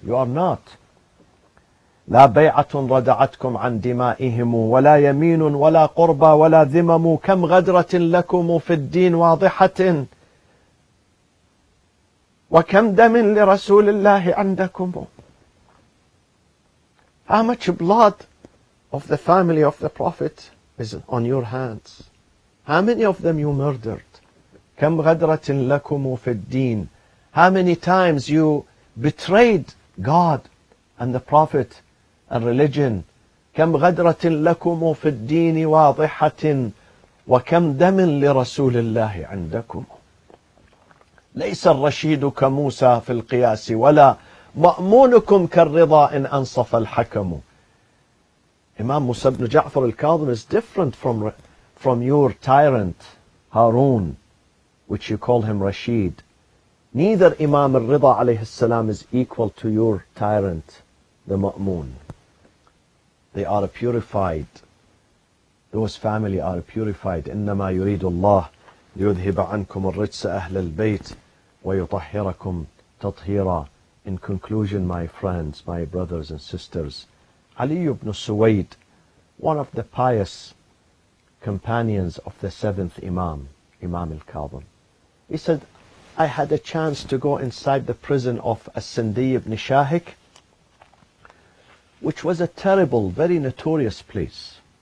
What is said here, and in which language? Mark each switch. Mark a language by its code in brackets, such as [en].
[en] You are not. [ar] لا بيعة ردعتكم عن دمائهم ولا يمين ولا قربى ولا ذمم كم غدرة لكم في الدين واضحة وكم دم لرسول الله عندكم. [en] How much blood of the family of the Prophet is on your hands? How many of them you murdered? [ar] كم غدرة لكم في الدين? [en] How many times you betrayed God and the Prophet and religion? [ar] كم غدرة لكم في الدين واضحة وكم دم لرسول الله عندكم. ليس الرشيد كموسى في القياس ولا مأمونكم كالرضا إن أنصف الحكم. [en] Imam Musa ibn Ja'far al-Kadhim is different from your tyrant Harun, which you call him Rashid. Neither Imam al-Rida alayhi salam is equal to your tyrant, the Ma'mun. They are purified. Those family are purified. [ar] إنما يريد الله ليذهب عنكم الرجس أهل البيت ويطهركم تطهيرا. [en] In conclusion, my friends, my brothers and sisters, Ali ibn Suwayd, one of the pious companions of the seventh Imam, Imam al-Kadhim, he said, I had a chance to go inside the prison of As-Sindi ibn Shahik, which was a terrible, very notorious place.